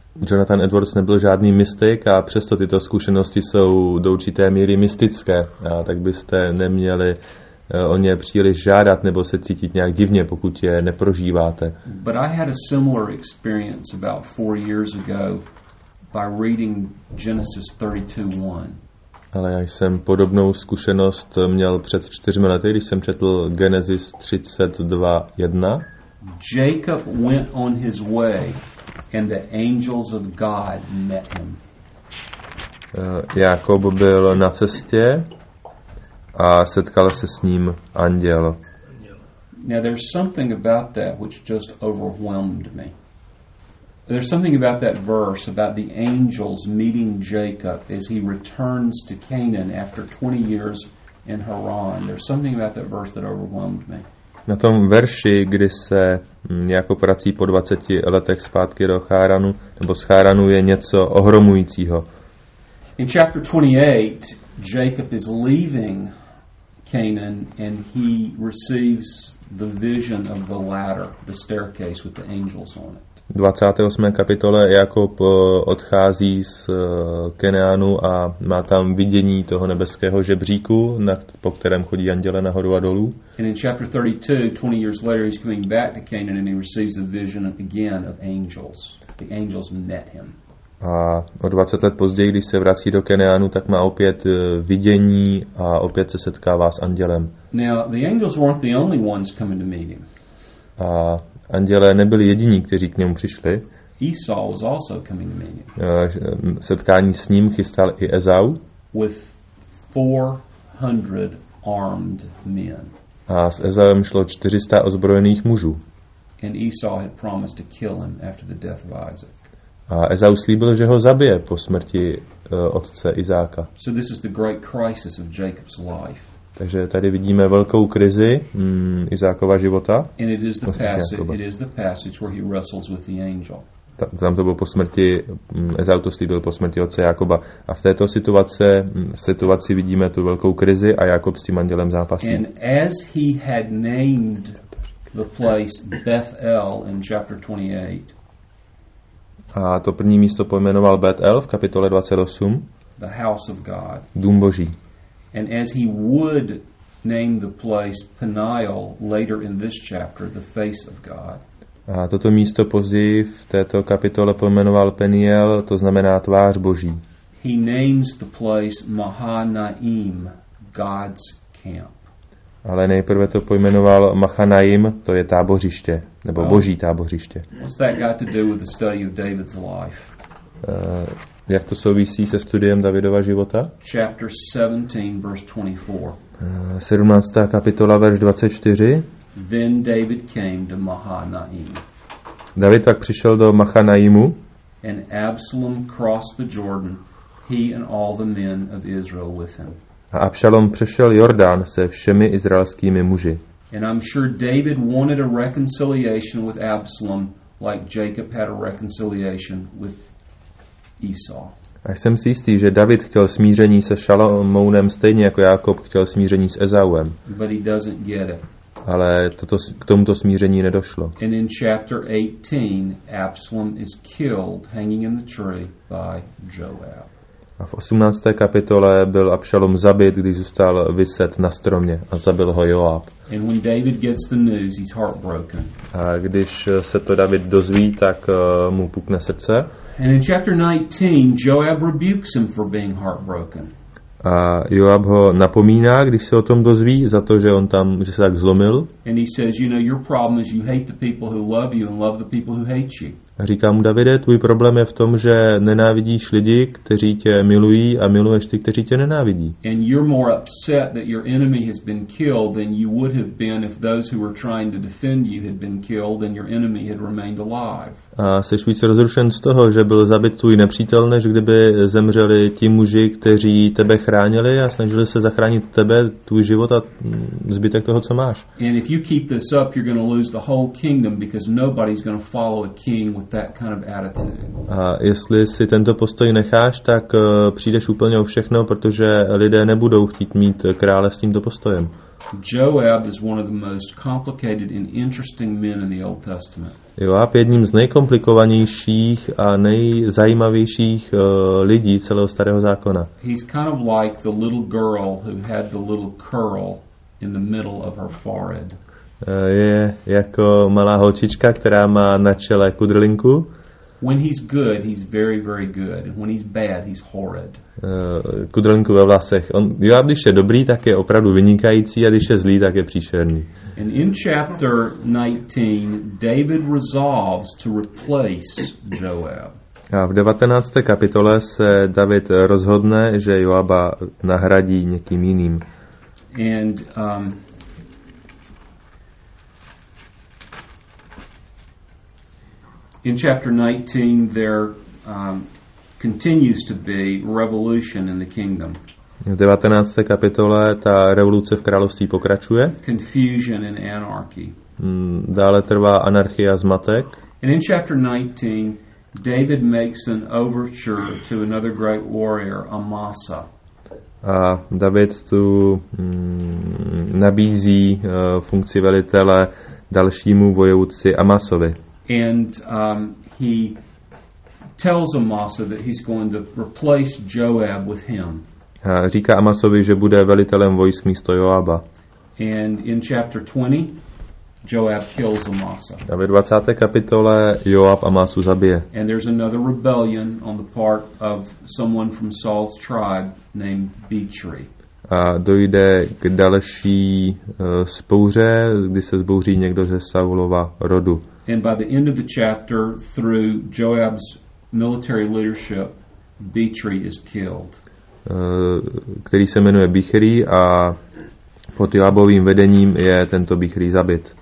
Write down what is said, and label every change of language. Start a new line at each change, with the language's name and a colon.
Czech: Jonathan Edwards nebyl žádný mystik a přesto tyto zkušenosti jsou do určité míry mystické, a tak byste neměli o ně příliš žádat nebo se cítit nějak divně, pokud je neprožíváte.
English: But I had a similar experience about 4 years ago by reading Genesis 32:1.
Czech: Ale já jsem podobnou zkušenost měl před 4 lety, když jsem četl Genesis 32:1.
English: Jacob went on his way and the angels of God met him.
Czech: Jakob byl na cestě a setkal se s ním anděl.
English: Now there's something about that which just overwhelmed me. There's something about that verse about the angels meeting Jacob as he returns to Canaan after 20 years in Haran. There's something about that verse that overwhelmed me.
Czech: Na tom verši, kdy se Jakob vrací po 20 letech zpátky do Charanu, nebo z Charanu, je něco ohromujícího.
English: In chapter 28, Jacob is leaving Canaan and he receives the vision of the ladder, the staircase with the angels on it.
Czech: 28. kapitole Jakob odchází z Kenánu a má tam vidění toho nebeského žebříku, po kterém chodí anděle nahoru a dolů.
English: And in chapter 32, 20 years later, he's coming back to Canaan and he receives a vision again of angels. The angels met him.
Czech: A o 20 let později, když se vrací do Kenánu, tak má opět vidění a opět se setkává s andělem.
English: Now, the angels weren't the only ones coming to meet him.
Czech: A andělé nebyli jediní, kteří k němu přišli.
English: Esau was also coming to meet him.
Czech: Setkání s ním chystal i Ezau.
English: With 400 armed men.
Czech: A s Ezauem šlo 400 ozbrojených mužů.
English: And Esau had promised to kill him after the death of Isaac.
Czech: A Ezau slíbil, že ho zabije po smrti otce Izáka.
English: So this is the great crisis of Jacob's life.
Czech: Takže tady vidíme velkou krizi Izákova života.
English: And it is the passage, where he wrestles with the angel.
Czech: Tam to bylo po smrti, Ezau to slíbil po smrti otce Jakoba. A v této situaci vidíme tu velkou krizi a Jakob s tím andělem zápasí.
English: And as he had named the place Beth-El in chapter 28,
Czech: a to první místo pojmenoval Bet-El v kapitole 28.
English: The house of God.
Czech: Dům Boží.
English: And as he would named the place Peniel later in this chapter, the face of God.
Czech: A toto místo později v této kapitole pojmenoval Peniel, to znamená tvář Boží.
English: He names the place Mahanaim, God's camp.
Czech: Ale nejprve to pojmenoval Mahanaim, to je tábořiště, nebo Boží tábořiště.
English: What's that got to do with the study of David's life?
Czech: Jak to souvisí se studiem Davidova života?
English: Chapter 17, verse 24.
Czech: 17. kapitola, verš 24.
English: Then David came to Mahanaim.
Czech: David tak přišel do Mahanaimu.
English: And Absalom crossed the Jordan, he and all the men of Israel with him.
Czech: A Abšalom přešel Jordán se všemi izraelskými muži.
English: And I'm sure David wanted a reconciliation with Absalom, like Jacob had a reconciliation with Esau.
Czech: A jsem si jistý, že David chtěl smíření se Šalomounem stejně jako Jákob chtěl smíření s Ezauem.
English: But he doesn't get it.
Czech: Ale toto, k tomuto smíření nedošlo.
English: And in chapter 18, Absalom is killed hanging in the tree by Joab.
Czech: A v 18. kapitole byl Abšalom zabit, když zůstal viset na stromě a zabil ho Joab.
English: And when David gets the news, he's heartbroken.
Czech: A když se to David dozví, tak mu pukne srdce.
English: And in chapter 19, Joab rebukes him for being heartbroken.
Czech: A Joab ho napomíná, když se o tom dozví, za to, že on tam, že se tak zlomil.
English: And he says, you know, your problem is you hate the people who love you and love the people who hate you.
Czech: A říká mu Davide, tvůj problém je v tom, že nenávidíš lidi, kteří tě milují a miluješ ty, kteří tě nenávidí.
English: And you're more upset that your enemy has been killed than you would have been if those who were trying to defend you had been killed and your enemy had remained alive.
Czech: A jsi více rozrušen z toho, že byl zabit tvůj nepřítel, než kdyby zemřeli ti muži, kteří tebe chránili a snažili se zachránit tebe, tvůj život a zbytek toho, co máš.
English: And if you keep this up, you're going to lose the whole kingdom because nobody's going to follow a king with that kind of attitude.
Czech: A jestli si tento postoj necháš, tak přijdeš úplně o všechno, protože lidé nebudou chtít mít krále s tímto postojem.
English: Joab is one of the most complicated and interesting men in the Old Testament.
Czech: Joab je jedním z nejkomplikovanějších a nejzajímavějších lidí celého starého zákona.
English: He's kind of like the little girl who had the little curl in the middle of her forehead.
Czech: Je jako malá holčička, která má na čele kudrlinku.
English: When he's good, he's very, very good. And when he's bad, he's horrid.
Czech: Kudrlinku ve vlasech. On, jo, a když je dobrý, tak je opravdu vynikající, a když je zlý, tak je příšerný.
English: And in chapter 19, David resolves to replace Joab.
Czech: A v 19. kapitole se David rozhodne, že Joaba nahradí někým jiným.
English: And in chapter 19, there continues to be revolution in the kingdom.
Czech: V 19. kapitole ta revoluce v království pokračuje.
English: Confusion and anarchy.
Czech: Dále trvá anarchie a zmatek.
English: And in chapter 19, David makes an overture to another great warrior, Amasa.
Czech: A David tu nabízí funkci velitele dalšímu vojevůdci Amasovi.
English: And he tells Amasa that he's going to replace Joab with him.
Czech: A říká Amasovi, že bude velitelem vojsk místo Joaba.
English: And in chapter 20, Joab kills Amasa.
Czech: A ve 20. kapitole Joab Amasu zabije.
English: And there's another rebellion on the part of someone from Saul's tribe named Bichri.
Czech: A dojde k další spouře, kdy se zbouří někdo ze Saulova rodu.
English: And by the end of the chapter, through Joab's military leadership, Bichri is killed.
Czech: Který se jmenuje Bichri a pod Joabovým vedením je tento Bichri zabit.